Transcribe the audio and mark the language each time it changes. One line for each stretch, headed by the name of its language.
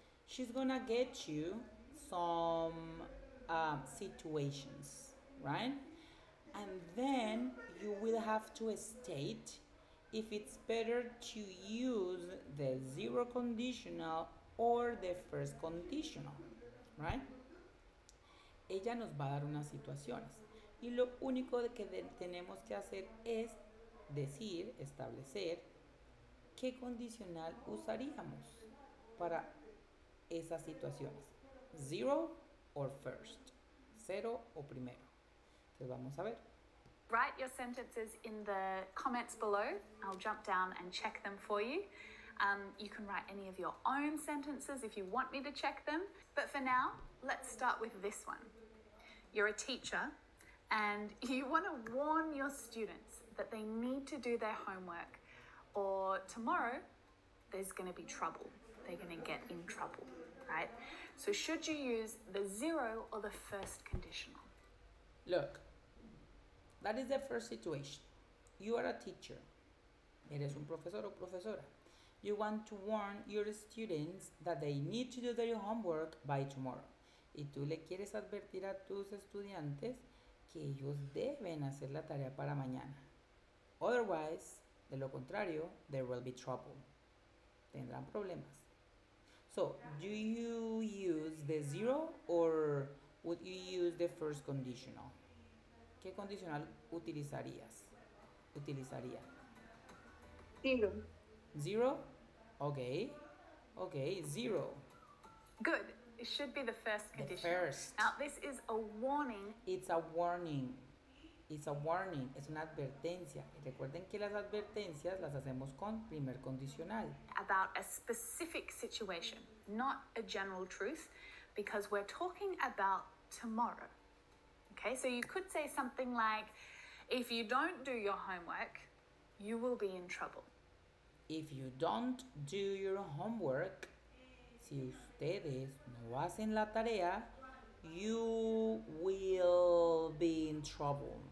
English: She's going to get you some situations, right? And then you will have to state if it's better to use the zero conditional or the first conditional, right?
Spanish: Ella nos va a dar unas situaciones. Y lo único que tenemos que hacer es decir, establecer, qué condicional usaríamos para esas situaciones.
English: Zero or first.
Spanish: Cero o primero. Entonces vamos a ver.
English: Write your sentences in the comments below. I'll jump down and check them for you. You can write any of your own sentences if you want me to check them. But for now, let's start with this one. You're a teacher and you want to warn your students that they need to do their homework or tomorrow there's going to be trouble. They're going to get in trouble, right? So should you use the zero or the first conditional? Look. That is the first situation. You are a teacher.
Spanish: Eres un profesor o profesora.
English: You want to warn your students that they need to do their homework by tomorrow.
Spanish: Y tú le quieres advertir a tus estudiantes que ellos deben hacer la tarea para mañana.
English: Otherwise,
Spanish: de lo contrario,
English: there will be trouble.
Spanish: Tendrán problemas.
English: So, do you use the zero or would you use the first conditional?
Spanish: ¿Qué condicional utilizarías? ¿Utilizaría?
English: Zero. Zero? Okay. Okay, zero. Good. It should be the first condition. The first. Now, this is a warning. It's a warning. It's a warning.
Spanish: Es una advertencia. Y recuerden que las advertencias las hacemos con primer condicional.
English: About a specific situation, not a general truth, because we're talking about tomorrow. Okay, so you could say something like, if you don't do your homework, you will be in trouble. If you don't do your homework,
Spanish: si ustedes no hacen la tarea,
English: you will be in trouble.